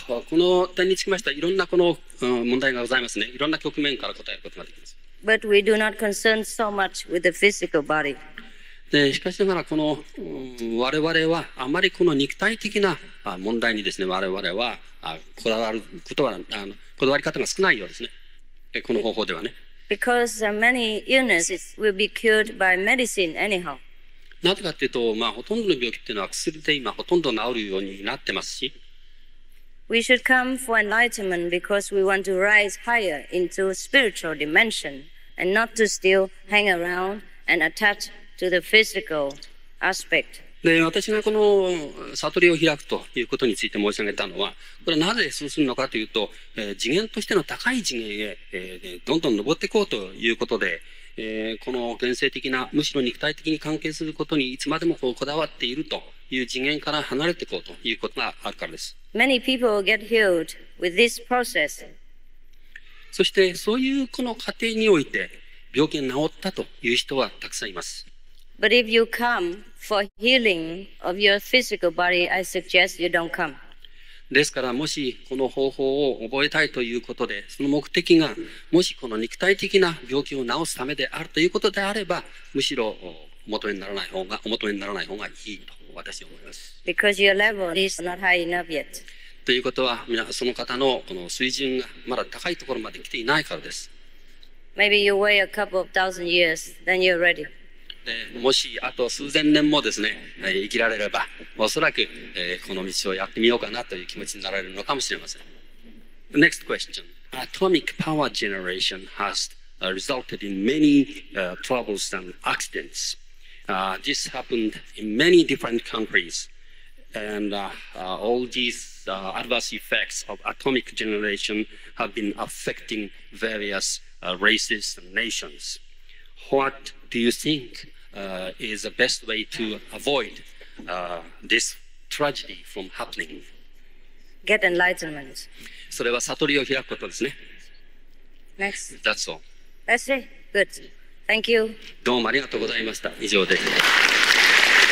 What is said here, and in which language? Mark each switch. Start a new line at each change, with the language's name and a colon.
Japanese: この点につきましてはいろんなこの問題がございますね。いろんな局面から答えることができます。
English: But we do not concern so much with the physical body.
Japanese: でしかしながらこの我々はあまりこの肉体的な問題にですね、我々はこだわることは、こだわり方が少ないようですね。この方法ではね。
English: Because many illnesses will be cured by medicine anyhow.
Japanese: なぜかっていうと、ほとんどの病気っていうのは薬で今ほとんど治るようになってますし、
English: We should come for enlightenment because we want to rise higher into spiritual dimension and not to still hang around and attach to the physical aspect.
Japanese: で、私がこの悟りを開くということについて申し上げたのは、これはなぜそうするのかというと、次元としての高い次元へ、どんどん登っていこうということで、この現世的な、むしろ肉体的に関係することにいつまでもこだわっているという次元から離れていこうということがあるからです。
English: Many people get healed with this process.
Japanese: そしてそういうこの過程において病気が治ったという人はたくさんいます。
English: But if you come for healing of your physical body, I suggest you don't come.
Japanese: ですからもしこの方法を覚えたいということで、その目的がもしこの肉体的な病気を治すためであるということであれば、むしろお求めにならない方がいいと。私は思います。
English: Because your level is not high enough yet.
Japanese: ということは、その方のこの水準がまだ高いところまで来ていないからです。
English: Maybe you wait a couple of thousand years, then you're ready.
Japanese: で、もしあと数千年もですね、生きられれば、おそらく、この道をやってみようかなという気持ちになられるのかもしれません。
English: Next question. Atomic power generation has resulted in many troubles and accidents. This happened in many different countries, and all these adverse effects of atomic generation have been affecting various races and nations. What do you think is the best way to avoid this tragedy from happening? Get enlightenment.
Japanese: それは悟りを開くことですね。
English: Next. That's all. That's it. Good. Thank you.
Japanese: どうもありがとうございました。以上です。